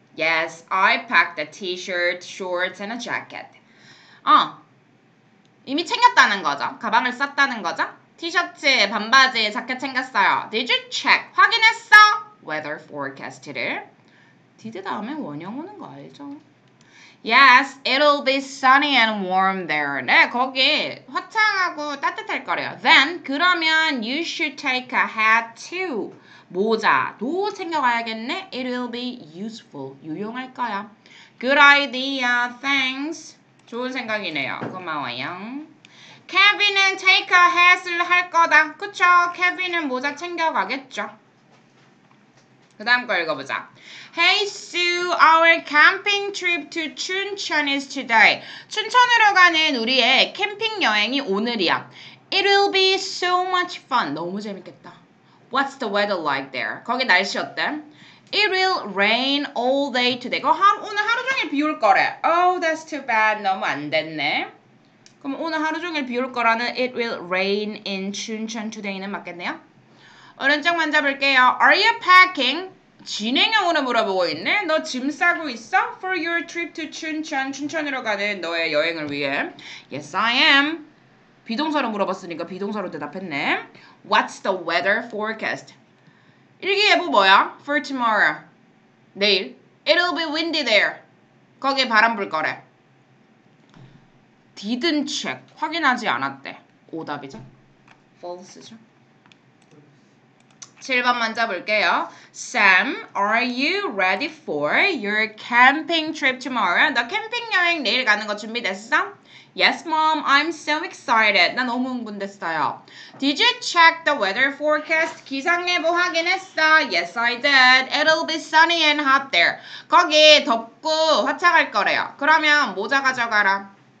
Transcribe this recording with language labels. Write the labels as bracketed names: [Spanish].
[English] Yes, I packed a t-shirt, shorts and a jacket. [Korean] 어, 이미 챙겼다는 거죠. 가방을 썼다는 거죠. 티셔츠, 반바지, 자켓 챙겼어요. [English] Did you check? [Korean] 확인했어? [English] Weather forecast를. Did [Korean] 다음에 원형 오는 거 알죠? [English] Yes, it'll be sunny and warm there. [Korean] 네, 거기 화창하고 따뜻할 거래요. [English] Then, [Korean] 그러면 [English] you should take a hat too. [Korean] 모자도 챙겨가야겠네. [English] It will be useful. [Korean] 유용할 거야. [English] Good idea. Thanks. [Korean] 좋은 생각이네요. 고마워요. Kevin은 [English] take a hat [Korean] 을 할 거다. 그쵸? Kevin은 모자 챙겨가겠죠. 그 다음 거 읽어보자. [English] Hey Sue, our camping trip to Chuncheon is today. [Korean] 춘천으로 가는 우리의 캠핑 여행이 오늘이야. [English] It will be so much fun. [Korean] 너무 재밌겠다. [English] What's the weather like there? [Korean] 거기 날씨 어때? [English] It will rain all day today. [Korean] 이거 오늘 하루 종일 비 올 거래. [English] Oh, that's too bad. [Korean] 너무 안 됐네. 그럼 오늘 하루 종일 비 올 거라는 [English] It will rain in Chuncheon today [Korean] 는 맞겠네요? 오른쪽 만져볼게요. [English] Are you packing? [Korean] 진행형으로 물어보고 있네. 너 짐 싸고 있어? [English] For your trip to Chuncheon. [Korean] 춘천으로 가는 너의 여행을 위해. [English] Yes, I am. [Korean] 비동사로 물어봤으니까 비동사로 대답했네. [English] What's the weather forecast? [Korean] 일기예보 뭐야? [English] For tomorrow. [Korean] 내일. [English] It'll be windy there. [Korean] 거기에 바람 불 거래. [English] Didn't check. [Korean] 확인하지 않았대. 오답이죠? False죠? 7번 먼저 볼게요. [English] Sam, are you ready for your camping trip tomorrow? [Korean] 너 캠핑 여행 내일 가는 거 준비됐어? [English] Yes, Mom. I'm so excited. [Korean] 나 너무 흥분됐어요. [English] Did you check the weather forecast? [Korean] 기상예보 확인했어? [English] Yes, I did. It'll be sunny and hot there. [Korean] 거기 덥고 화창할 거래요. 그러면 모자 가져가라.